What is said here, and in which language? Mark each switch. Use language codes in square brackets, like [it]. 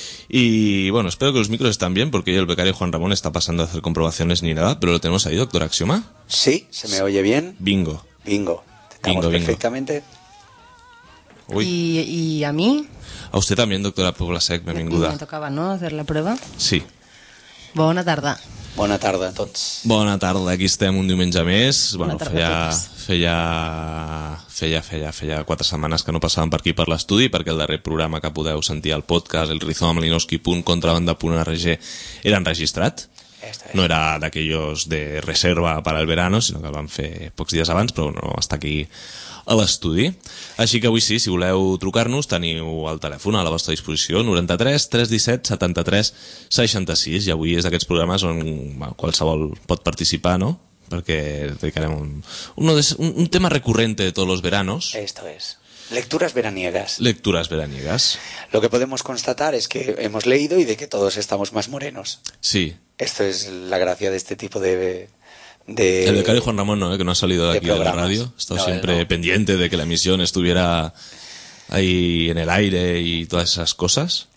[es] Y bueno, espero que los micros estén bien, porque el becario Juan Ramón está pasando a hacer comprobaciones ni nada, pero lo tenemos ahí, doctor Axioma. Sí, se me oye bien. Bingo. Bingo. Bingo, bingo. Perfectamente. Uy. ¿Y a mí? A usted también, doctora Poblasek, bienvenida. Me tocaba, ¿no?, hacer la prueba. Sí. Buena tarde. [ca] Bona tarda a tots. Bona tarda, aquí estem un diumenge més. Bona tarda feia, a tots. Feia 4 setmanes que no passàvem per aquí per l'estudi, perquè el darrer programa que podeu sentir al podcast, el rizomamalinowski.contrabanda.org, era enregistrat. No era d'aquellos de reserva per al verano, sinó que el vam fer pocs dies abans, però no està aquí a l'estudi. Així que avui sí, si voleu trucar-nos, teniu el telèfon a la vostra disposició, 93 317 73 66, i avui és d'aquests programes on qualsevol pot participar, no? Perquè dedicarem un tema recurrente de tots els veranos. [es] Esto es. Lecturas veraniegas. Lecturas veraniegas. Lo que podemos constatar es que hemos leído y de que todos estamos más morenos. Sí. Esto es la gracia de este tipo de... El de Cari Juan Ramón no, que no ha salido de aquí programas. De la radio. Estaba siempre pendiente de que la emisión estuviera ahí en el aire y todas esas cosas.